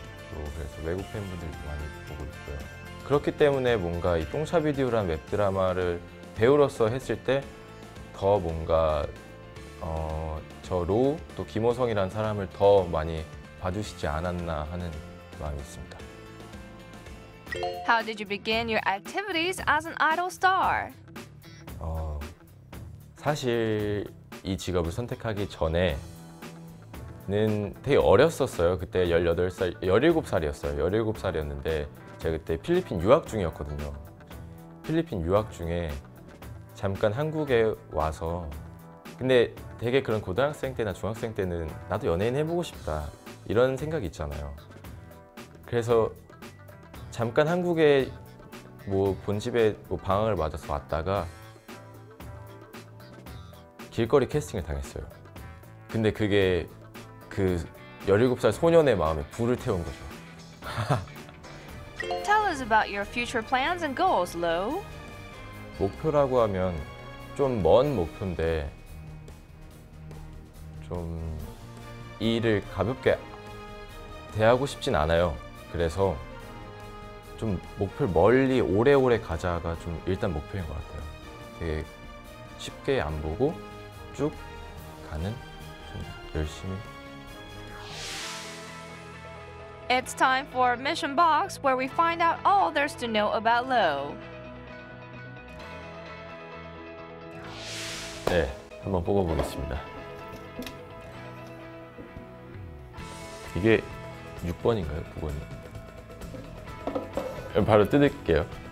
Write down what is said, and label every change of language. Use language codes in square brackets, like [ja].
[ko] 또 그래서 외국 팬분들도 많이 보고 있고요. 그렇기 때문에 뭔가 이 똥차 비디오라는 웹드라마를 배우로서 했을 때 더 뭔가 저 로우 또 김호성이라는 사람을 더 많이 봐주시지 않았나 하는 마음이 있습니다. [en] How did you begin your activities as an idol star? [ko] 사실 이 직업을 선택하기 전에는 되게 어렸었어요. 그때 17살이었는데 제가 그때 필리핀 유학 중이었거든요. 필리핀 유학 중에 잠깐 한국에 와서 근데 되게 그런 고등학생 때나 중학생 때는 나도 연예인 해보고 싶다 이런 생각이 있잖아요. 그래서 잠깐 한국에 뭐 본집에 뭐 방학을 맞아서 왔다가 길거리 캐스팅을 당했어요. 근데 그게 그 17살 소년의 마음에 불을 태운 거죠. [en] Tell us about your future plans and goals, Lo. [ko] 목표라고 하면 좀 먼 목표인데 좀 이 일을 가볍게 대하고 싶진 않아요. 그래서 좀 목표를 멀리 오래오래 가자가 좀 일단 목표인 것 같아요. 되게 쉽게 안 보고 쭉 가는 좀 열심히. [en] It's time for Mission Box where we find out all there's to know about Lo. [ko] 네, 한번 뽑아보겠습니다. 이게 6번인가요? 9번이요? 바로 뜯을게요.